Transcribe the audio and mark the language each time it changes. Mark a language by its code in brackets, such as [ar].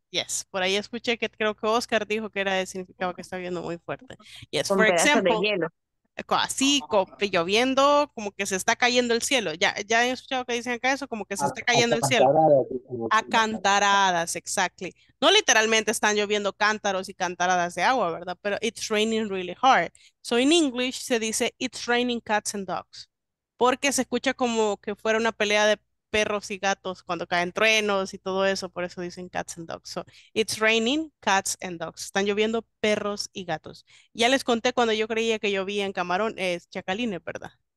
[es] Yes, por ahí escuché que creo que Oscar dijo que era de significado que está lloviendo muy fuerte. [en] Yes, [es] con [en] for example. [es] De hielo. Así, como lloviendo, como que se está cayendo el cielo. Ya he escuchado que dicen acá eso, como que se está cayendo el cielo. A cantaradas, exactly. No literalmente están lloviendo cántaros y cantaradas de agua, ¿verdad? [en] Pero it's raining really hard. So in English [es] se dice [en] it's raining cats and dogs. [es] Porque se escucha como que fuera una pelea de perros y gatos cuando caen truenos y todo eso. Por eso dicen [en] cats and dogs. So it's raining cats and dogs. [es] Están lloviendo perros y gatos. Ya les conté cuando yo creía que llovía en camarón. Es chacalines, ¿verdad?